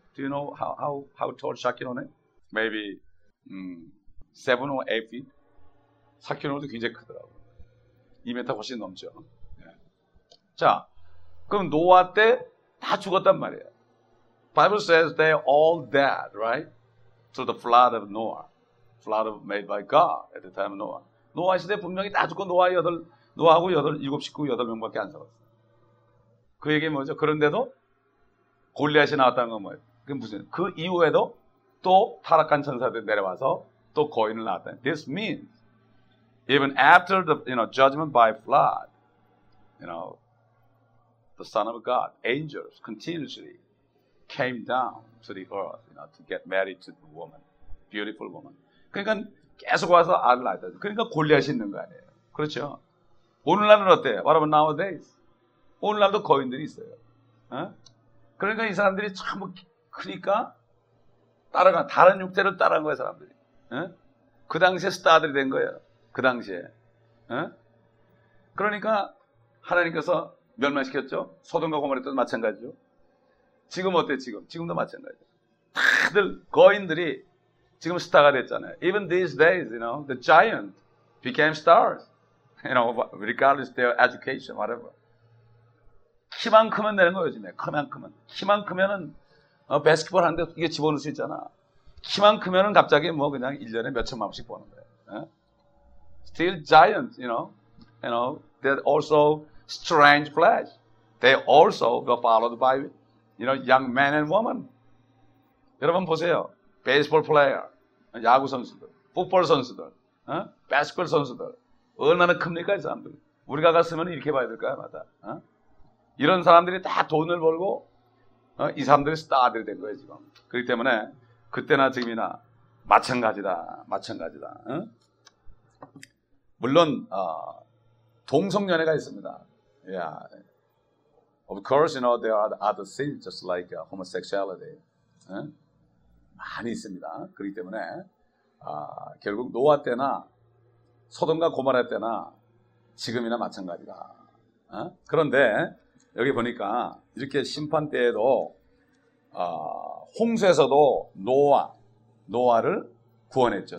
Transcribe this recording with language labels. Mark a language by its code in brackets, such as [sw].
[en] Do you know how tall Shaquille O'Neal? Maybe 7 or 8 feet. [ko] 샤킬 오넬도 굉장히 크더라고. 2m 훨씬 넘죠. 네. 자, 그럼 노아 때 다 죽었단 말이야. [en] Bible says they all dead, right? Through the flood of Noah. Flood made by God at the time of Noah. [ko] 노아 시대 분명히 다 죽고 노아 노아하고 일곱 식구 8명밖에 안 살았어. 그 얘기 뭐죠? 그런데도 골리앗이 나왔다는 건 뭐예요? 그 무슨 그 이후에도 또 타락한 천사들이 내려와서 또 거인을 낳았다. [en] This means even after the judgment by flood, the Son of God, angels continuously came down to the earth, to get married to the woman, beautiful woman. [ko] 그러니까 계속 와서 알을 낳았다. 그러니까 골리앗이 있는 거 아니에요? 그렇죠? 오늘날은 어때? [en] What about nowadays? [ko] 오늘날도 거인들이 있어요. 그러니까 이 사람들이 참 크니까 따라가 다른 육체를 따라간 거예요, 사람들이. 그 당시에 스타들이 된 거예요. 그 당시에. 그러니까 하나님께서 멸망시켰죠. 소돔과 고모라도 마찬가지죠. 지금 어때 지금? 지금도 마찬가지죠. 다들 거인들이 지금 스타가 됐잖아요. [en] Even these days, the giant became stars. Regardless of their education, whatever. [ko] 키만 크면 되는 거예요, 요즘에. 크면 크면. 키만 크면은, 배스키볼 하는데 이게 집어넣을 수 있잖아. 키만 크면은 갑자기 뭐 그냥 1년에 몇천만 원씩 버는 거예요. [en] Still giants, they're also strange flesh. They also were followed by, young men and women. [ko] 여러분 보세요. 베이스볼 플레이어, 야구 선수들, 풋볼 선수들, 배스키볼 선수들. 얼마나 큽니까, 이 사람들. 우리가 갔으면 이렇게 봐야 될까요, 맞아. 이런 사람들이 다 돈을 벌고 이 사람들이 스타들이 된 거예요 지금. 그렇기 때문에 그때나 지금이나 마찬가지다, 마찬가지다. 응? 물론 동성연애가 있습니다. [en] Yeah. Of course, you know there are other sins just like homosexuality. [ko] 응? 많이 있습니다. 그렇기 때문에 결국 노아 때나 소돔과 고모라 때나 지금이나 마찬가지다. 응? 그런데 여기 보니까 이렇게 심판 때에도 홍수에서도 노아를 구원했죠.